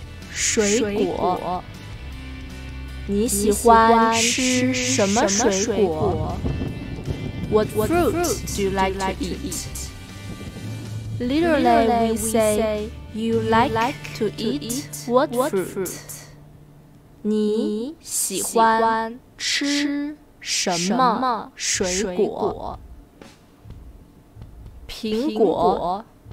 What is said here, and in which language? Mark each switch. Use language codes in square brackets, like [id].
[zh] 水果你喜欢吃什么水果 [en] What fruit do you like to eat? Literally we say You like to eat what fruit? [zh] 你喜欢吃什么水果苹果